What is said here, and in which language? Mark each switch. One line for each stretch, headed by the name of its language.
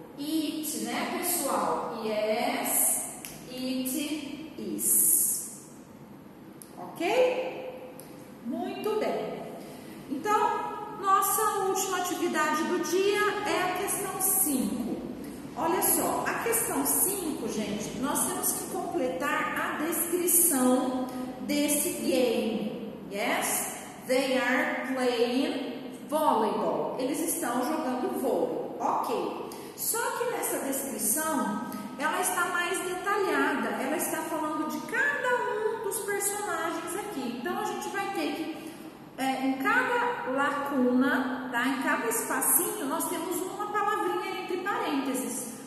Portuguese: It, né, pessoal?
English: Yes, it is.
Portuguese: Ok? Muito bem. Então, nossa última atividade do dia é a questão 5. Olha só, a questão 5, gente, nós temos que completar a descrição desse game.
English: Yes, they are playing volleyball.
Portuguese: Eles estão jogando vôlei. Ok. Só que nessa descrição, ela está mais detalhada. Ela está falando de cada um dos personagens aqui. Então, a gente vai ter que, em cada lacuna, tá? Em cada espacinho, nós temos uma palavrinha entre parênteses.